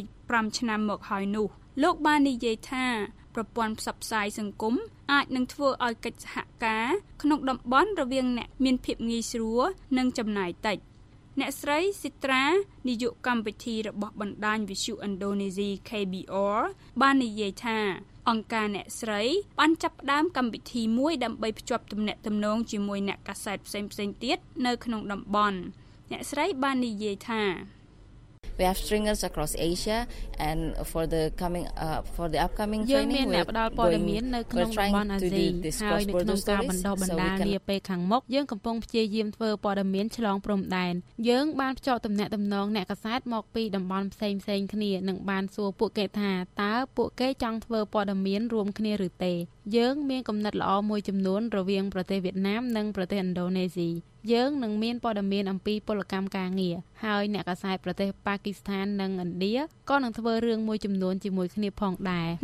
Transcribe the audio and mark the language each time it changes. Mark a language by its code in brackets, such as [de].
[km] 25ឆ្នាំមកហើយនោះលោកបាននិយាយថាប្រព័ន្ធផ្សព្វផ្សាយសង្គមអាចនឹងធ្វើឲ្យកិច្ចសហការក្នុងតំបន់រវាងអ្នកមានភាពងាយស្រួលនិងចំណាយតិចអ្នកស្រីស៊ីត្រានាយកកម្មវិធីរបស់បណ្ដាញវិទ្យុឥណ្ឌូនេស៊ី KBR បាននិយាយថាអង្គការអ្នកស្រីបានចាប់ផ្ដើមកម្មវិធីមួយដើម្បីភ្ជាប់ទំនាក់ទំនងជាមួយអ្នកកាសែតផ្សេងៗទៀតនៅក្នុងតំបន់អ្នកស្រីបាននិយាយថា [en] We have stringers across Asia and for the coming for the upcoming training we're going to do this cross border study [km] ក្នុងតំបន់អាស៊ីហើយនៅក្នុងការបណ្ដុះបណ្ដាលនាពេលខាងមុខយើងកំពុងព្យាយាមធ្វើព័ត៌មានឆ្លងព្រំដែនយើងបានភ្ជាប់ទំនាក់ទំនងអ្នកកសែតមកពីតំបន់ផ្សេងៗគ្នានិងបានសួរពួកគេថាតើពួកគេចង់ធ្វើព័ត៌មានរួមគ្នាឬទេយើងមានគំនិតល្អមួយចំនួនរវាងប្រទេសវៀតណាមនិងប្រទេសឥណ្ឌូនេស៊ីយើងនឹងមានព័ត៌មានអំពីពលកម្មការងារហើយអ្នកកសែតប្រទេសប៉ាគីស្ថាននិងឥណ្ឌាក៏នឹងធ្វើរឿងមួយចំនួនជាមួយគ្នាផងដែរ